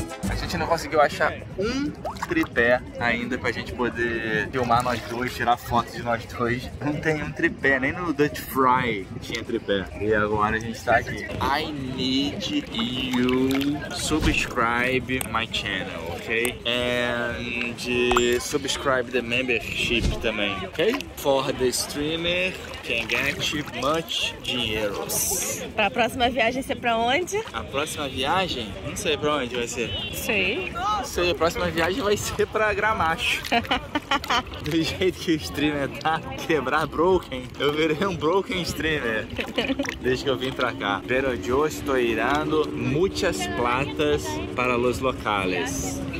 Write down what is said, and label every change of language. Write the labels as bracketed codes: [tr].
[pt] A gente não conseguiu achar um tripé ainda pra gente poder filmar nós dois, tirar foto de nós dois. Não tem um tripé, nem no Dutch Fry tinha tripé. E agora a gente tá aqui. [en] I need you subscribe my channel, ok? And subscribe the membership também, ok? For the streamer can get much dinheiro. [pt] Pra próxima viagem ser pra onde? A próxima viagem? Não sei pra onde vai ser. Sei. Não sei, a próxima viagem vai ser pra Gramacho. Do jeito que o streamer tá, quebrar broken, eu virei um [en] broken streamer. [pt] Desde que eu vim pra cá. [es] Pero yo estoy dando muchas platas para los locales.